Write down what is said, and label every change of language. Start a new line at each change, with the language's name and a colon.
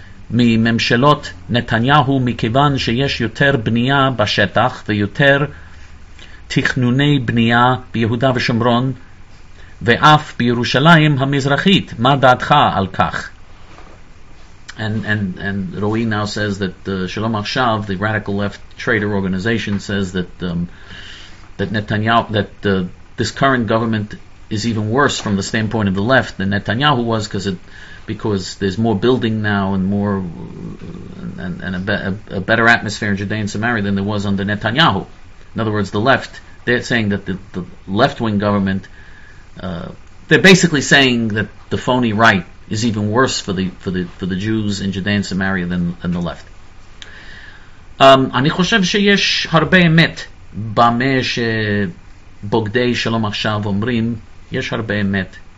Hebrew: מממשלות נתניהו, מכיוון שיש יותר בנייה בשטח ויותר תכנוני בנייה ביהודה ושומרון ואף בירושלים המזרחית. מה דעתך על כך?
English: And Roi now says that Shalom Achshav, the radical left traitor organization, says that that Netanyahu, that this current government is even worse from the standpoint of the left than Netanyahu was, because there's more building now and more and a better atmosphere in Judea and Samaria than there was under Netanyahu. In other words, the left, they're saying that the left wing government, they're basically saying that the phony right is even worse for the Jews in Judea and Samaria than the left.
Hebrew: אני חושב שיש הרבה אמת במה שבוגדי שלום עכשיו אומרים. יש הרבה אמת.